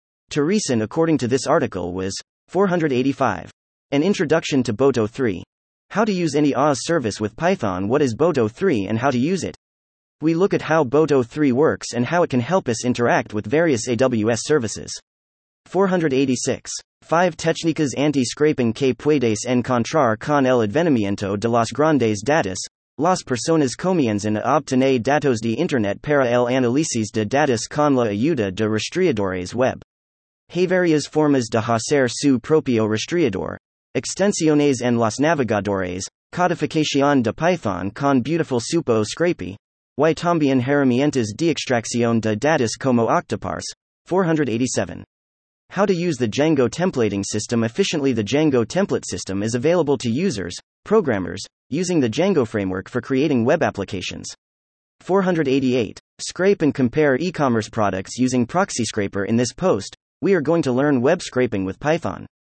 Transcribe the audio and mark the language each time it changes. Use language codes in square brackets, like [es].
[en] Teresen, according to this article, was 485. An introduction to BOTO 3. How to use any OAuth service with Python. What is BOTO 3 and how to use it? We look at how BOTO 3 works and how it can help us interact with various AWS services. 486. [es] 5 técnicas anti-scraping que puedes encontrar con el advenimiento de las grandes datos. Las personas comienzan a obtener datos de Internet para el análisis de datos con la ayuda de rastreadores web. Hay varias formas de hacer su propio rastreador. Extensiones en los navegadores. Codificación de Python con beautiful supo scrapy. Y también herramientas de extracción de datos como Octoparse. 487. [en] How to use the Django templating system efficiently. The Django template system is available to users, programmers, using the Django framework for creating web applications. 488. Scrape and compare e-commerce products using Proxy Scraper. In this post, we are going to learn web scraping with Python.